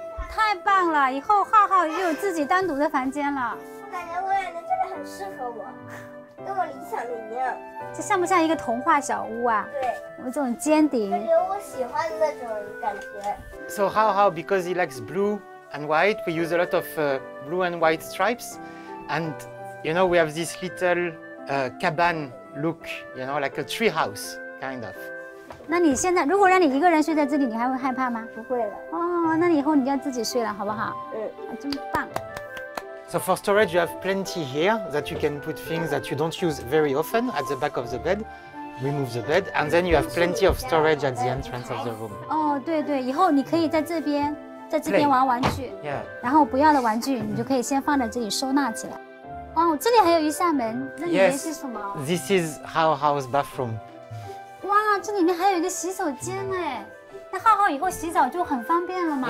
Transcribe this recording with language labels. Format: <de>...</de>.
<zh>太棒了，以后浩浩就有自己单独的房间了。我感觉我感觉这里很适合我，跟我理想的一样。这像不像一个童话小屋啊？对，有这种尖顶，有我喜欢的那种感觉。</zh> <en>So Hao because he likes blue and white, we use a lot of blue and white stripes, and you know we have this little cabin. Look, you know, like a tree house, kind of.</en> <zh>那你现在如果让你一个人睡在这里，你还会害怕吗？不会了。那你以后你就要自己睡了，好不好？嗯。真棒。</zh> <en>So for storage, you have plenty here that you can put things that you don't use very often at the back of the bed. Remove the bed, and then you have plenty of storage at the entrance of the room.</en> <zh>对，以后你可以在这边玩玩具。</zh> <en>Yeah.</en> <zh>然后不要的玩具，你就可以先放在这里收纳起来。这里还有一扇门，那里面是什么</zh> <en>？Yes, this is Hao Hao's bathroom.</en> <zh>哇，这里面还有一个洗手间哎，那浩浩以后洗澡就很方便了嘛。</zh>